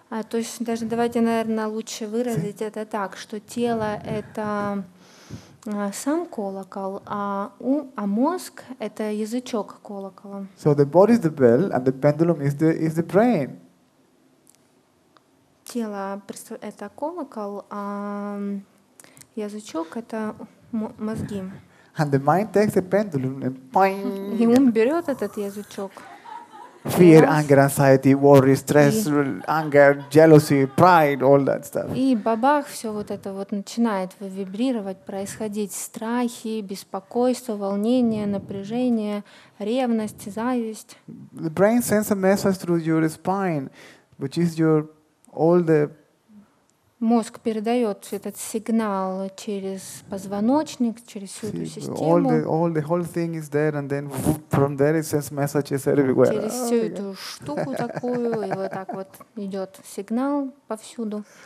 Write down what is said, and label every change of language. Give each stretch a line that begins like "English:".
Russian: То есть даже давайте, наверное, лучше выразить это так, что тело это сам колокол, а мозг это язычок колокола.
English: So the body is the bell, and the pendulum is the brain.
Russian: Тело это колокол, а язычок это мозги.
English: And the mind takes the pendulum and
Russian: ping. И ум берет этот язычок.
English: Fear, anger, anxiety, worry, stress, anger, jealousy, pride, all that stuff.
Russian: И бабах, все вот это вот начинает вибрировать, происходить страхи, беспокойство, волнение, напряжение, ревность, зависть.
English: The brain sends a message through your spine, which is your all the.
Russian: Мозг передает этот сигнал через позвоночник, через всю эту систему.
English: All the whole thing is there, and then from there it sends messages everywhere.
Russian: Через всю эту штуку такую, и вот так вот идет сигнал повсюду.